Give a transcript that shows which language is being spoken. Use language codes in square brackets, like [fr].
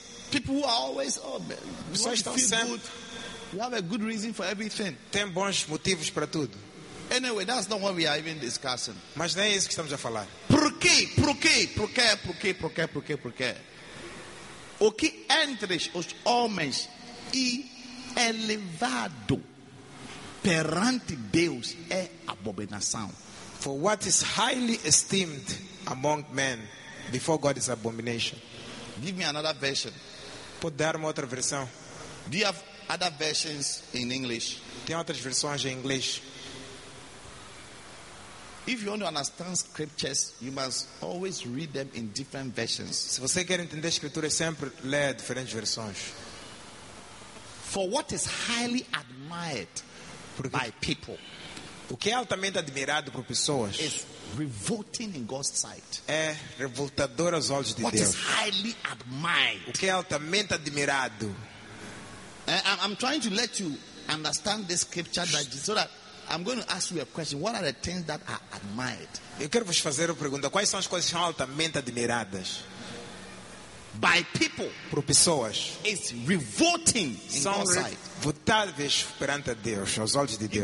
[en] People who are always, oh, you feel good. You have a good reason for everything. [pt] Tem bons motivos para tudo. [en] Anyway, that's not what we are even discussing. [pt] Mas não é isso que estamos a falar. Por quê? O que entre os homens e elevado perante Deus é abominação. [en] For what is highly esteemed among men before God is abomination. Give me another version. [pt] Pode dar-me outra versão. [en] Do you have other versions in English? [pt] Tem outras versões em inglês? [en] If you want to understand scriptures, you must always read them in different versions. [pt] Se você quer entender a escritura, sempre leia diferentes versões. [en] For what is highly admired by people. [pt] O que é altamente admirado por pessoas [en] is revolting in God's sight. [pt] É revoltador aos olhos de [en] what [pt] Deus. [en] What is highly admired. [pt] O que é altamente admirado. [en] I'm trying to let you understand this scripture that Jesus, so that I'm going to ask you a question. What are the things that are admired? [pt] Eu quero vos fazer uma pergunta. Quais são as coisas que são altamente admiradas? [en] By people. [pt] Por pessoas. [en] It's revolting in God's sight. [pt] Votáveis perante a Deus, aos olhos de Deus.